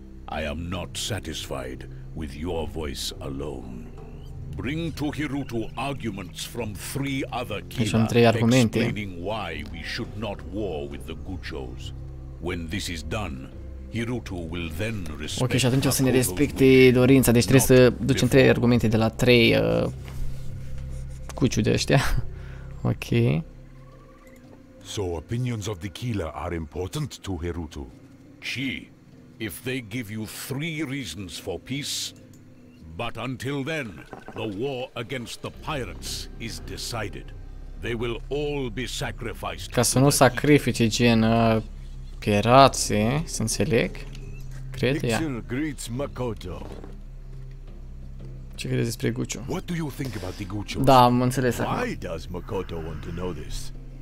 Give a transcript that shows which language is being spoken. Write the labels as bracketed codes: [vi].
[en] I am not satisfied with your voice alone. Bring to Hiruto arguments from three other Killer, explaining why we should not war with the Guchos. When this is done, Hiruto will then respect. [ro] Ok, și atunci o să ne respecte dorința, deci trebuie să ducem trei argumente de la trei cuciu de ăștia. Ok. [en] So opinions of the Killer are important to Hiruto. Chi, if they give you three reasons for peace, but until then, the war against the pirates is decided. They will all be sacrificed. [ro] Ca să nu sacrifice gen pirații, să înțeleg. Cred, ia. [en] Greets Makoto. [ro] Ce crezi despre Gucho? [en] What do you think about the Gucho? [ro] Da, am înțeles. [en] Why does Makoto want to know this?